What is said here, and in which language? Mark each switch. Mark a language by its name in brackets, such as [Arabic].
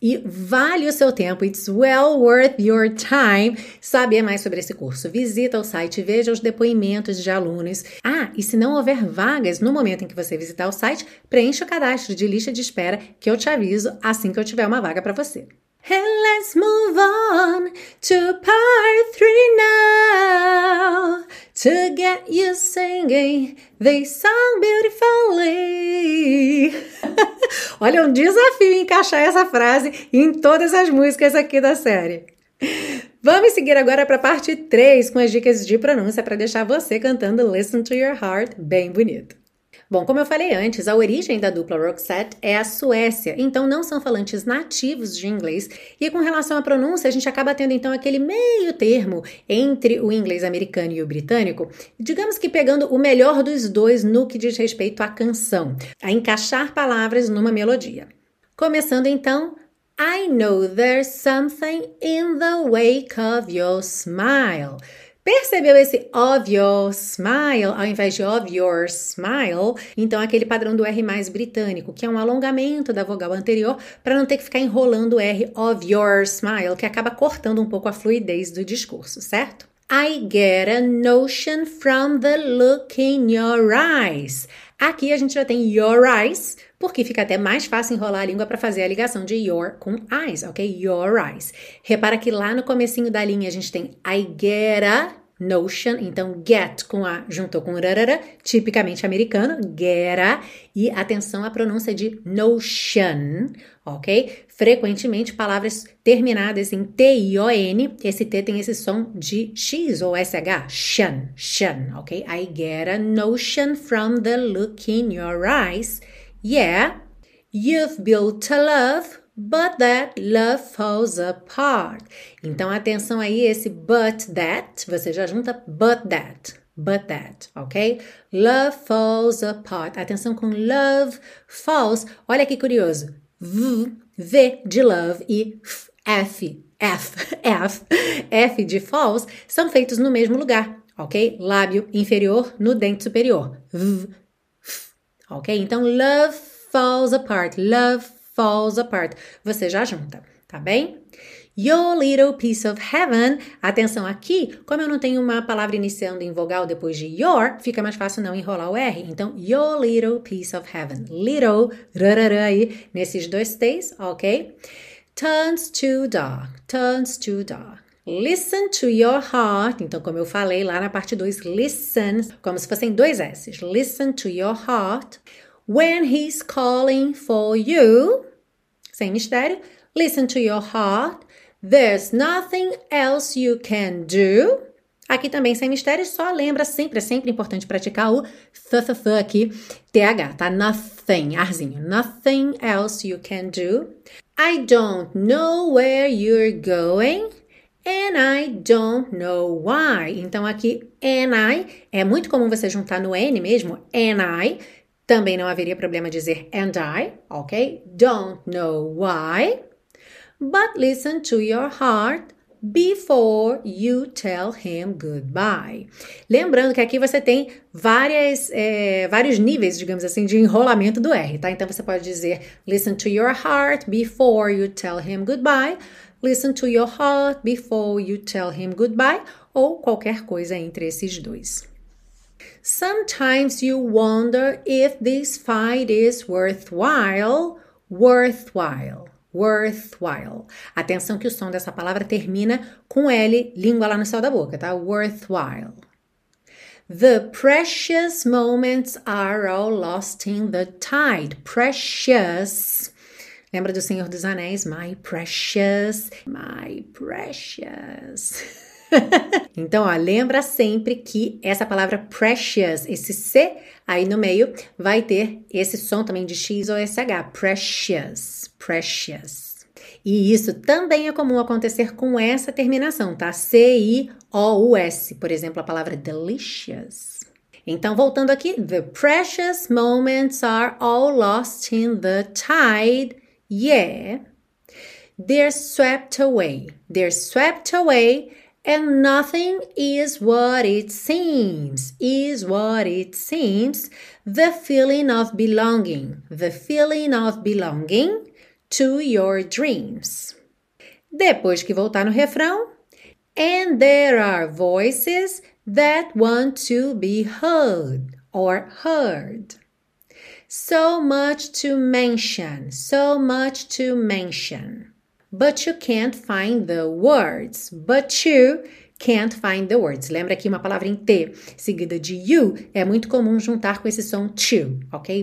[Portuguese] E vale o seu tempo, [English] it's well worth your time [Portuguese] saber mais sobre esse curso. Visita o site, veja os depoimentos de alunos. Ah, e se não houver vagas no momento em que você visitar o site, preencha o cadastro de lista de espera que eu te aviso assim que eu tiver uma vaga para você. [English] And let's move on to part 3 now, to get you singing this song beautifully. [Portuguese] Olha, um desafio encaixar essa frase em todas as músicas aqui da série. Vamos seguir agora para a parte 3 com as dicas de pronúncia para deixar você cantando Listen to Your Heart bem bonito. Bom, como eu falei antes, a origem da dupla Roxette é a Suécia, então não são falantes nativos de inglês. E com relação à pronúncia, a gente acaba tendo então aquele meio termo entre o inglês americano e o britânico, digamos que pegando o melhor dos dois no que diz respeito à canção, a encaixar palavras numa melodia. Começando então, [English] I know there's something in the wake of your smile. [Portuguese] Percebeu esse [English] of your smile [Portuguese] ao invés de of your smile? Então, aquele padrão do R mais britânico, que é um alongamento da vogal anterior para não ter que ficar enrolando o R [English] of your smile, [Portuguese] que acaba cortando um pouco a fluidez do discurso, certo? [English] I get a notion from the look in your eyes. [Portuguese] Aqui a gente já tem your eyes, porque fica até mais fácil enrolar a língua para fazer a ligação de your com eyes, ok? [English] Your eyes. [Portuguese] Repara que lá no comecinho da linha a gente tem [English] I get a notion, [Portuguese] então get com a juntou com rarara, tipicamente americano, get a, e atenção à pronúncia de notion, ok? Frequentemente palavras terminadas em T-I-O-N, esse T tem esse som de X ou S-H, shun, shun, ok? [English] I get a notion from the look in your eyes. Yeah, you've built a love, but that love falls apart. [Portuguese] Então, atenção aí, esse [English] but that, [Portuguese] você já junta but that, ok? [English] Love falls apart. [Portuguese] Atenção com love falls. Olha que curioso. V, V de love e F, F, F, F de falls são feitos no mesmo lugar, ok? Lábio inferior no dente superior. V. Ok? Então, [English] love falls apart, love falls apart. [Portuguese] Você já junta, tá bem? [English] Your little piece of heaven. [Portuguese] Atenção aqui, como eu não tenho uma palavra iniciando em vogal depois de your, fica mais fácil não enrolar o R. Então, [English] your little piece of heaven. [Portuguese] Little, rarara aí, nesses dois T's, ok? [English] Turns to dog, turns to dog. Listen to your heart. [Portuguese] Então, como eu falei lá na parte 2, listen, como se fossem dois S's. [English] Listen to your heart. When he's calling for you, [Portuguese] sem mistério, [English] listen to your heart. There's nothing else you can do. [Portuguese] Aqui também sem mistério, só lembra sempre, é sempre importante praticar o th aqui, th, tá? [English] Nothing, arzinho. Nothing else you can do. I don't know where you're going. And I don't know why. [Portuguese] Então, aqui, and I, é muito comum você juntar no N mesmo, and I, Também não haveria problema dizer and I, ok? [English] Don't know why. But listen to your heart before you tell him goodbye. [Portuguese] Lembrando que aqui você tem vários níveis, digamos assim, de enrolamento do R, tá? Então você pode dizer [English] listen to your heart before you tell him goodbye. Listen to your heart before you tell him goodbye. [Portuguese] Ou qualquer coisa entre esses dois. [English] Sometimes you wonder if this fight is worthwhile, worthwhile, worthwhile. [Portuguese] Atenção que o som dessa palavra termina com L, língua lá no céu da boca, tá? [English] Worthwhile. The precious moments are all lost in the tide. Precious. [Portuguese] Lembra do Senhor dos Anéis? [English] My precious, my precious. [Portuguese] Então, ó, lembra sempre que essa palavra precious, esse C aí no meio, vai ter esse som também de X ou SH. [English] Precious, precious. [Portuguese] E isso também é comum acontecer com essa terminação, tá? Cious, por exemplo, a palavra delicious. Então, voltando aqui, [English] the precious moments are all lost in the tide. Yeah. They're swept away. They're swept away. And nothing is what it seems. Is what it seems. The feeling of belonging. The feeling of belonging to your dreams. [Portuguese] Depois que voltar no refrão. [English] And there are voices that want to be heard or heard. So much to mention. So much to mention. But you can't find the words. But you can't find the words. [Portuguese] Lembra aqui uma palavra em T seguida de you? É muito comum juntar com esse som to, ok?